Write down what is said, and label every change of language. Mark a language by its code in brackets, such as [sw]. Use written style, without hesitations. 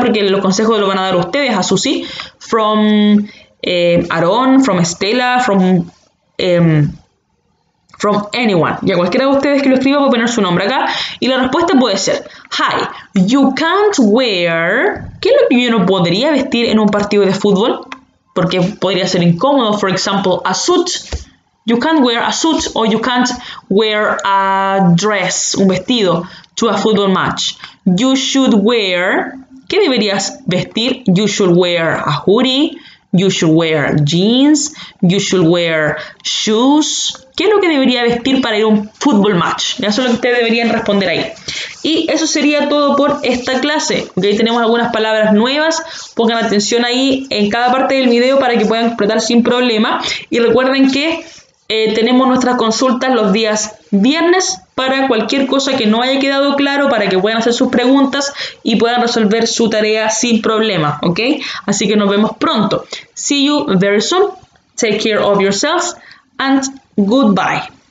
[es] Porque los consejos lo van a dar ustedes a Susie. [en] From Aaron, from Stella, from anyone. [es] Y a cualquiera de ustedes que lo escriba puede poner su nombre acá. Y la respuesta puede ser, [en] Hi, you can't wear... [es] ¿Qué es lo que yo no podría vestir en un partido de fútbol? Porque podría ser incómodo. [en] For example, a suit. You can't wear a suit or you can't wear a dress, un vestido, to a football match. You should wear, [es] ¿qué deberías vestir? [en] You should wear a hoodie, you should wear jeans, you should wear shoes. [es] ¿Qué es lo que debería vestir para ir a un football match? Eso es lo que ustedes deberían responder ahí. Y eso sería todo por esta clase. Ok, tenemos algunas palabras nuevas. Pongan atención ahí en cada parte del video para que puedan completar sin problema. Y recuerden que tenemos nuestras consultas los días viernes para cualquier cosa que no haya quedado claro, para que puedan hacer sus preguntas y puedan resolver su tarea sin problema, ¿ok? Así que nos vemos pronto. [en] See you very soon. Take care of yourselves and goodbye.